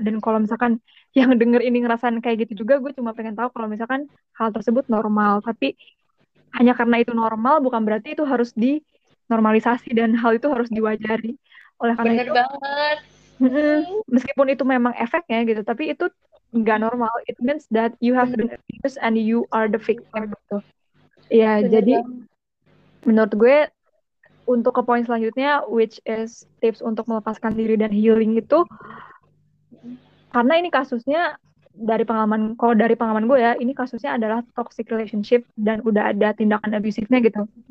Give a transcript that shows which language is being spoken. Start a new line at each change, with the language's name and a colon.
Indonesian: Dan kalau misalkan yang denger ini ngerasain kayak gitu juga, gue cuma pengen tahu kalau misalkan hal tersebut normal. Tapi hanya karena itu normal, bukan berarti itu harus dinormalisasi dan hal itu harus diwajari. Oleh karena bener itu banget. Meskipun itu memang efeknya gitu, tapi itu gak normal.
English: It means that you have been abused and you are the victim
Indonesian: gitu. Ya, jadi menurut gue untuk ke poin selanjutnya, which is tips untuk melepaskan diri dan healing itu, karena ini kasusnya dari pengalaman, kalau dari pengalaman gue ya, ini kasusnya adalah toxic relationship dan udah ada tindakan abusifnya gitu.